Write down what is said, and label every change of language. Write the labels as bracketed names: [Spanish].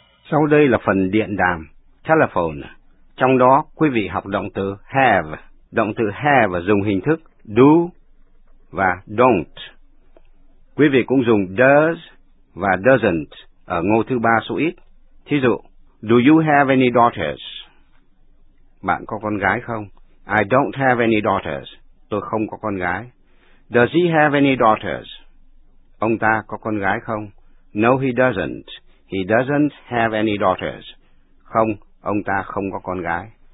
[Vietnamese] Sau đây là phần điện đàm, telephone. Trong đó, quý vị học động từ have. Động từ have dùng hình thức do và don't. Quý vị cũng dùng does và doesn't ở ngô thứ ba số ít. Thí dụ, [English] do you have any daughters? [Vietnamese] Bạn có con gái không? [English] I don't have any daughters. [Vietnamese] Tôi không có con gái. [English] Does he have any daughters? [Vietnamese] Ông ta có con gái không? [English] No, he doesn't. He doesn't have any daughters. [Vietnamese] Không, ông ta không có con gái.